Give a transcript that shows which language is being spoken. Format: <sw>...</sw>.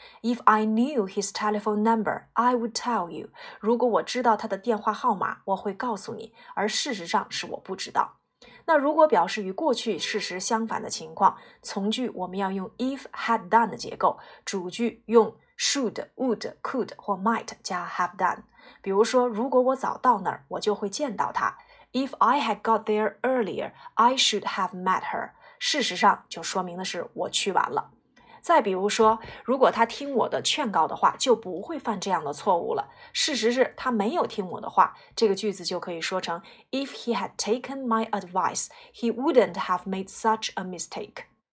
<en>If I knew his telephone number, I would tell you.</en> <zh>如果我知道他的电话号码，我会告诉你，而事实上是我不知道。那如果表示与过去事实相反的情况，从句我们要用 if had done 的结构，主句用 should, would, could 或 might 加 have done。比如说，如果我早到那儿，我就会见到他。</zh> <en>If I had got there earlier, I should have met her.</en> <zh>事实上就说明的是我去晚了。再比如说，如果他听我的劝告的话，就不会犯这样的错误了。事实是他没有听我的话，这个句子就可以说成 If he had taken my advice, he wouldn't have made such a mistake.</zh>